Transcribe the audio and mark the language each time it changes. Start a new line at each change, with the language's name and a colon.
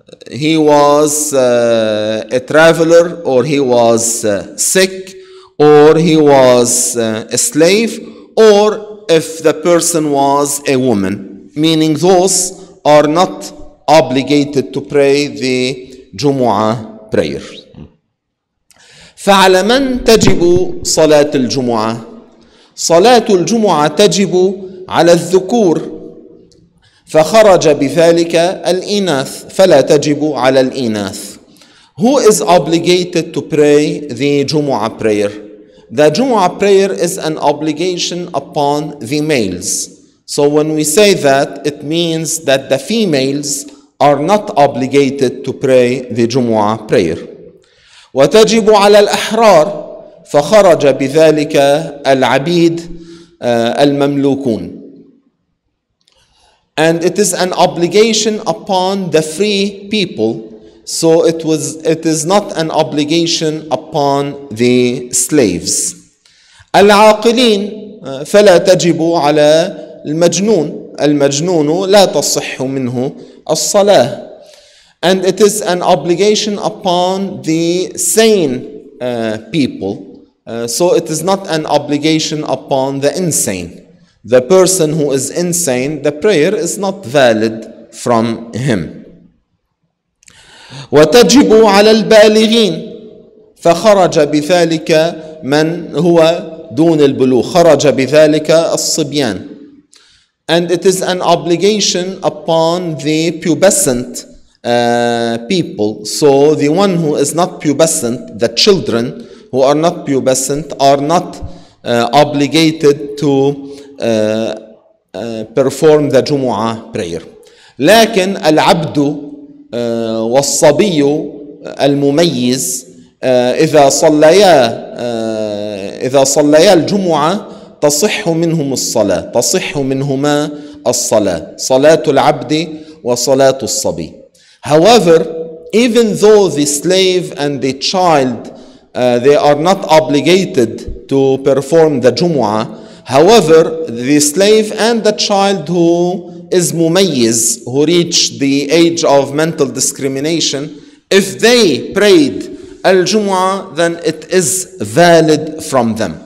English: he was a traveler or he was sick or he was a slave, or if the person was a woman, meaning those are not obligated to pray the Jumu'ah prayer.
Arabic: فعلى من تجب صلاة الجمعة؟ صلاة الجمعة تجب على الذكور، فخرج بذلك الإناث، فلا تجب على الإناث.
English: Who is obligated to pray the Jumu'ah prayer? The Jumu'ah prayer is an obligation upon the males. So when we say that, it means that the females are not obligated to pray the Jumu'ah prayer.
Arabic: وَتَجِبُ عَلَى الْأَحْرَارِ فَخَرَجَ بِذَلِكَ الْعَبِيدِ الْمَمْلُوكُونَ.
English: And it is an obligation upon the free people. So it is not an obligation upon the slaves.
Arabic: العاقلين فلا تجب على المجنون. المجنون لا تصح منه الصلاة.
English: And it is an obligation upon the sane people. So it is not an obligation upon the insane. The person who is insane, the prayer is not valid from him.
Arabic: وتجب على البالغين فخرج بذلك من هو دون البلوغ خرج بذلك الصبيان.
English: And it is an obligation upon the pubescent people. So the one who is not pubescent, the children who are not pubescent, are not obligated to perform the Jumu'ah prayer.
Arabic: لكن العبد والصبي المميز إذا صليا الجمعة تصح منهم الصلاة، تصح منهما الصلاة، صلاة العبد وصلاة الصبي.
English: However, even though the slave and the child they are not obligated to perform the Jumu'ah, however, the slave and the child who is mumayyiz, who reach the age of mental discrimination, if they prayed al-Jumu'ah, then it is valid from them.